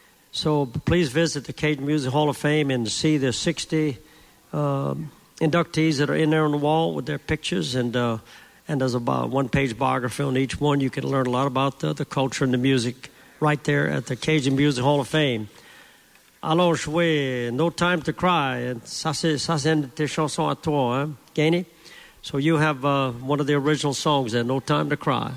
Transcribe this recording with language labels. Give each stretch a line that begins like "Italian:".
English: So please visit the Cajun Music Hall of Fame and see the 60 inductees that are in there on the wall with their pictures. And there's about a one-page biography on each one. You can learn a lot about the culture and the music right there at the Cajun Music Hall of Fame.
French: Alors, je vais,
English: no time to cry.
French: Ça, c'est une chanson à toi, hein, Gainey?
English: So you have one of the original songs there, No Time to Cry.